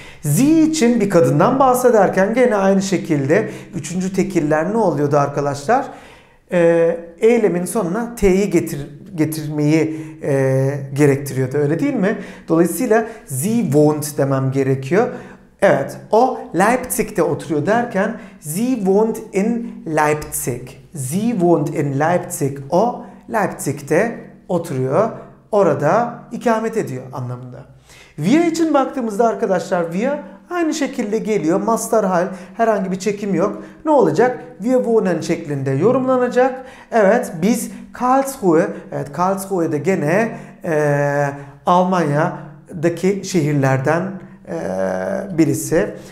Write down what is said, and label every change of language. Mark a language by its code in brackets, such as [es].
[tr] Sie için bir kadından bahsederken gene aynı şekilde üçüncü tekiller ne oluyordu arkadaşlar? Eylemin sonuna T'yi getirmeyi gerektiriyordu öyle değil mi? Dolayısıyla [de] sie wohnt [tr] demem gerekiyor. Evet o Leipzig'te oturuyor derken [de] sie wohnt in Leipzig. Sie wohnt in Leipzig. [tr] O Leipzig'te oturuyor, orada ikamet ediyor anlamında. Via için baktığımızda arkadaşlar, via aynı şekilde geliyor. Mastar hal, herhangi bir çekim yok. Ne olacak? [de] Wir wohnen [tr] şeklinde yorumlanacak. Evet, biz Karlsruhe, evet Karlsruhe'de gene Almanya'daki şehirlerden birisi.